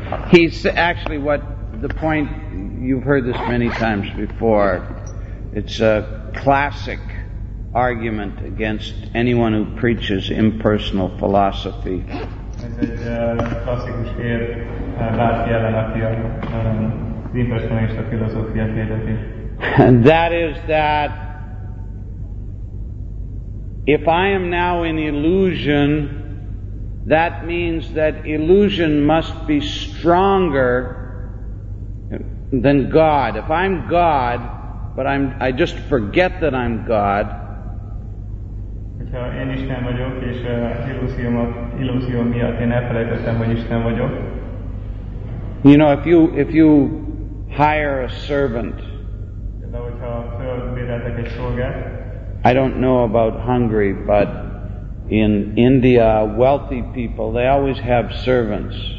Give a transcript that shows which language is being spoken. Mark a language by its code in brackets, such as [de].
[en] He's actually what the point, you've heard this many times before, it's a classic argument against anyone who preaches impersonal philosophy. [hu] Ez egy klasszikus ér, bárki ellen, aki az impersonalista filozófiát hirdeti. [en] And that is that if I am now in illusion, that means that illusion must be stronger than God. If I'm God, but I just forget that I'm God. [hu] Hogyha én Isten vagyok, és illúzió miatt én elfelejtettem, hogy Isten vagyok. [en] You know, if you hire a servant. [hu] De hogyha fölbéreltek egy szolgát. [en] I don't know about Hungary, but in India, wealthy people, they always have servants.